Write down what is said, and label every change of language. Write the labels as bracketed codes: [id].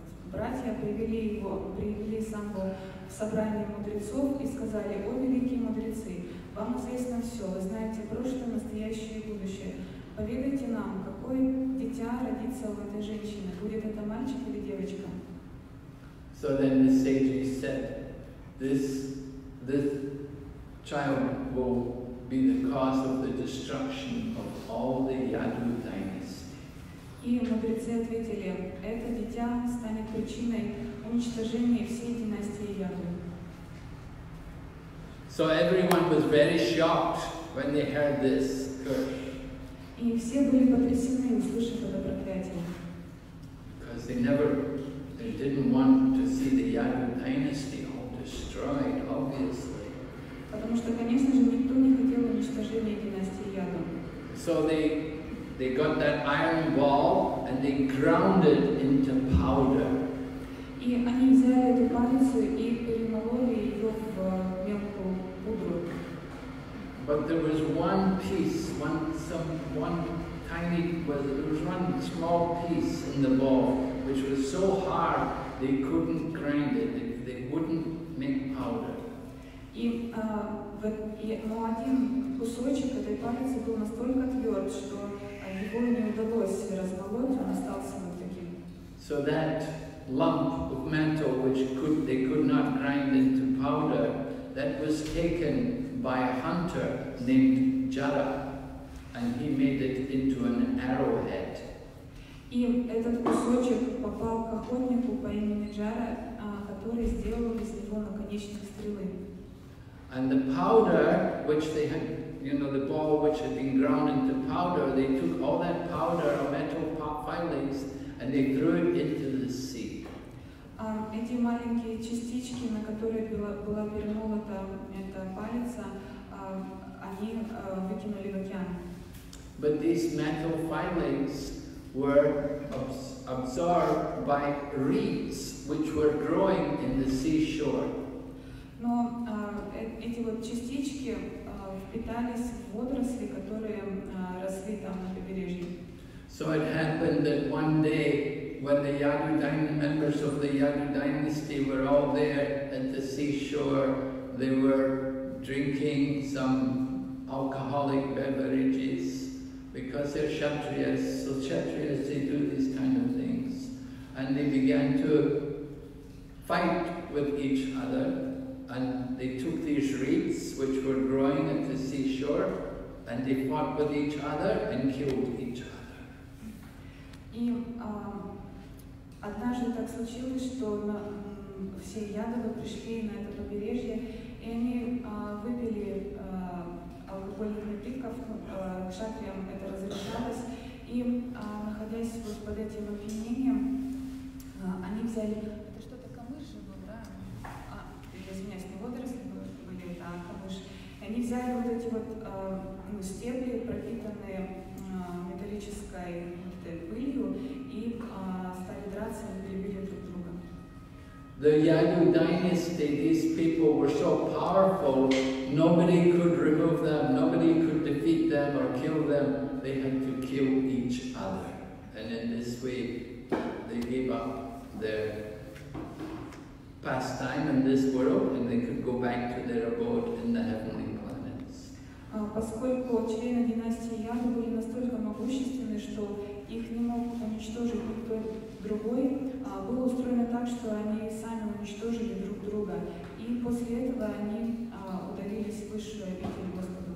[ru] Братья привели его, привели Самбу в собрание мудрецов и сказали: «О, великие мудрецы, вам известно все, вы знаете прошлое, настоящее и будущее. Поведайте нам, какое дитя родится у этой женщины, будет это мальчик или девочка?» [en] So then the sages said, this child will be the cause of the destruction of all the Yadu dynasty. [ru] И мудрецы ответили: это дитя станет причиной уничтожения всей династии Яду. [en] So everyone was very shocked when they heard this curse. [ru] И все были потрясены, услышав это проклятие. [en] Because they didn't want to see the Yadu dynasty all destroyed, obviously. [ru] Потому что, конечно же, никто не хотел уничтожения династии Яду. [en] So they got that iron ball and they ground it into powder. [ru] И они взяли эту палицу и перемололи ее в мелкую пудру. [en] But there was one piece, one small piece in the ball which was so hard they couldn't grind it, they wouldn't make powder. [ru] Но один кусочек этой палицы был настолько тверд, что его не удалось разболоть, он остался вот таким. [en] So that lump of metal which they could not grind into powder, that was taken by a hunter named Jara, and he made it into an arrowhead. [ru] И этот кусочек попал к охотнику по имени Джара, который сделал из него наконечник стрелы. [en] And the powder which they had, you know, the ball which had been ground into powder, they took all that powder or metal filings and they threw it into the sea. [ru] Эти маленькие частички, на которые была перемолота эта палец, они выкинули в океан. [en] But these metal filings were absorbed by reeds which were growing in the seashore. [ru] Но эти вот частички впитались в водоросли, которые росли там на побережье. [en] So it happened that one day when the members of the Yadu dynasty were all there at the seashore, they were drinking some alcoholic beverages because they're kshatriyas. So kshatriyas, they do these kind of things. And they began to fight with each other. And they took these reeds which were growing at the seashore and they fought with each other and killed each other. [ru] Однажды так случилось, что все ядовы пришли на это побережье, и они выпили алкогольные напитки, кшатриям это разрешалось, и находясь вот под этим обвинением, они взяли... Это что-то камыши было, да? Извиняюсь, не водоросли были, а камыш. Они взяли вот эти вот стебли, пропитанные металлической пылью, и стали драться и перебили друг друга. [en] The Yadu dynasty, these people were so powerful, nobody could remove them, nobody could defeat them or kill them. They had to kill each other. And in this way, they gave up their pastime in this world and they could go back to their abode in the heavenly. [ru] Поскольку члены династии Яду были настолько могущественны, что их не мог уничтожить никто другой, было устроено так, что они сами уничтожили друг друга. И после этого они удалились в высшую обитель Господу.